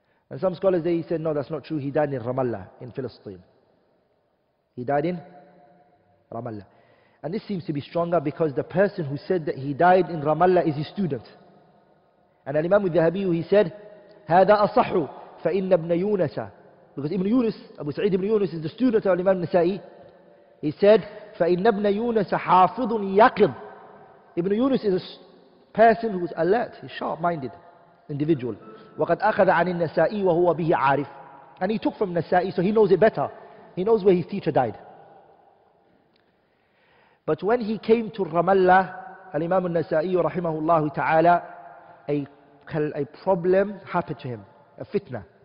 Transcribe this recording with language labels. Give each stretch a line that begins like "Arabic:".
English: And some scholars, they said, no, that's not true. He died in Ramallah, in Palestine. He died in Ramallah. And this seems to be stronger because the person who said that he died in Ramallah is his student. And Al-Imam al-Dhahabi, he said,
Arabic: هَذَا أَصَحُ فَإِنَّ ابْنَ يُونَسَ.
English: Because Ibn Yunus, Abu Sa'id Ibn Yunus, is the student of Al-Imam al-Nasa'i. He said,
Arabic: فَإِنَّ ابْنَ يُونَسَ حَافِظٌ يَقِضٌ.
English: Ibn Yunus is a person who is alert, he's sharp-minded individual.
Arabic: وَقَدْ أَخَذَ عَنِ النَّسَائِي وَهُوَ بِهِ عَارِفٌ.
English: And he took from Nasa'i, so he knows it better. He knows where his teacher died. But when he came to Ramallah, Al-Imam al-Nasa'i rahimahullah ta'ala, a problem happened to him, a fitna.